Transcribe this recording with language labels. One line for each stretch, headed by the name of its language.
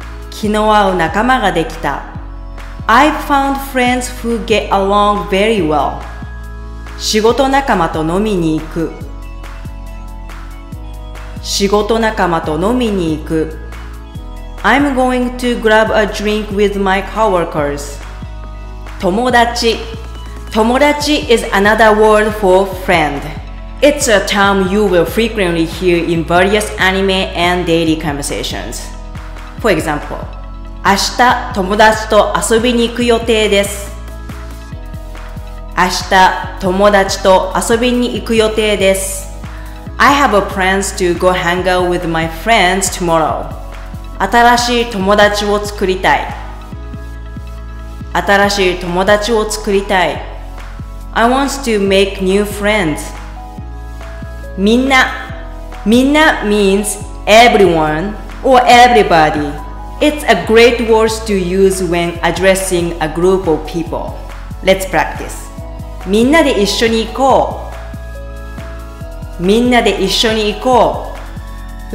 Japanese: 気の合う仲間ができた。
English: I've found friends who get along very well.
Japanese: 仕事仲間と飲みに行く。仕事仲間と飲みに行く。
English: I'm going to grab a drink with my coworkers.
Japanese: 友達。
English: 友達 is another word for friend. It's a term you will frequently hear in various anime and daily conversations. For example,
Japanese: 明日友達と遊びに行く予定です。明日友達と遊びに行く予定です。
English: I have a plan to go hang out with my friends tomorrow.
Japanese: 新しい友達を作りたい。新しい友達を作りたい。
English: I want to make new friends.
Japanese: みんな。
English: みんな means everyone or everybody. It's a great word to use when addressing a group of people. Let's practice.
Japanese: みんなで一緒に行こう。みんなで一緒に行こう。